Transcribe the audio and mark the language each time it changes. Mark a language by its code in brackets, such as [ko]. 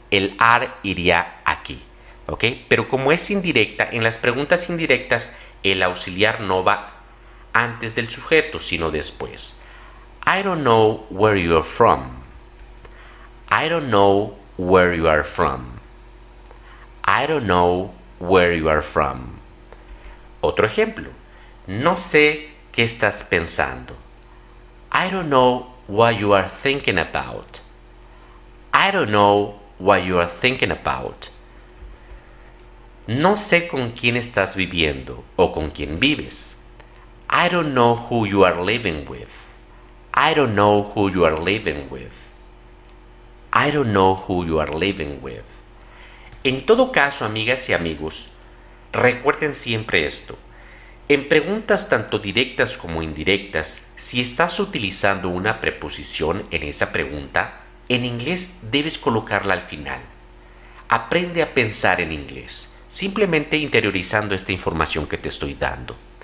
[es] El are iría aquí, ¿ok? Pero como es indirecta, en las preguntas indirectas, el auxiliar no va antes del sujeto, sino después. [en] I don't know where you're from. I don't know where you are from. I don't know where you are from. [es] Otro ejemplo. No sé qué estás pensando. [en] I don't know what you are thinking about. I don't know what you are thinking about. [es] No sé con quién estás viviendo o con quién vives. [en] I don't know who you are living with. I don't know who you are living with. I don't know who you are living with. [es] En todo caso, amigas y amigos, recuerden siempre esto. En preguntas tanto directas como indirectas, si estás utilizando una preposición en esa pregunta, en inglés debes colocarla al final. Aprende a pensar en inglés, simplemente interiorizando esta información que te estoy dando.